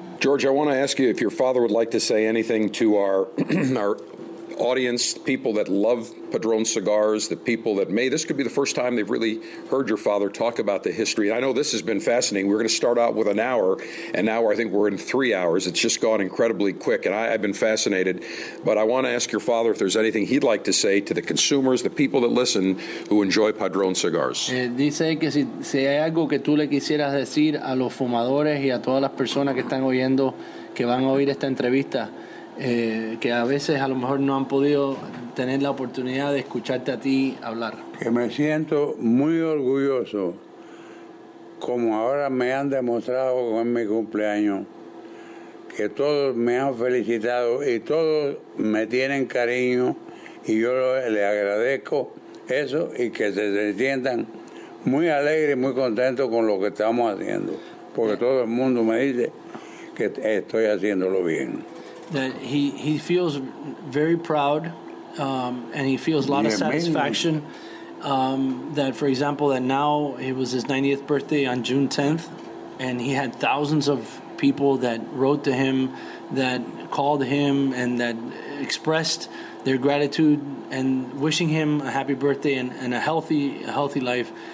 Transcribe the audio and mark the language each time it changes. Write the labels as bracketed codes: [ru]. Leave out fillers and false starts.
[en] George, I want to ask you if your father would like to say anything to our audience, people that love Padron cigars, the people that may, this could be the first time they've really heard your father talk about the history. I know this has been fascinating. We're going to start out with an hour, and now I think we're in 3 hours. It's just gone incredibly quick, and I've been fascinated. But I want to ask your father if there's anything he'd like to say to the consumers, the people that listen, who enjoy Padron cigars. [es] Dice que si hay algo que tú le quisieras decir a los fumadores y a todas las personas que están oyendo, que van a oír esta entrevista, que a veces a lo mejor no han podido tener la oportunidad de escucharte a ti hablar. Que me siento muy orgulloso, como ahora me han demostrado con mi cumpleaños, que todos me han felicitado y todos me tienen cariño, y yo les agradezco eso y que se sientan muy alegres y muy contentos con lo que estamos haciendo, porque todo el mundo me dice que estoy haciéndolo bien. [en] That he feels very proud, and he feels a lot of satisfaction. That, for example, that now it was his 90th birthday on June 10th, and he had thousands of people that wrote to him, that called him, and that expressed their gratitude and wishing him a happy birthday and a healthy life.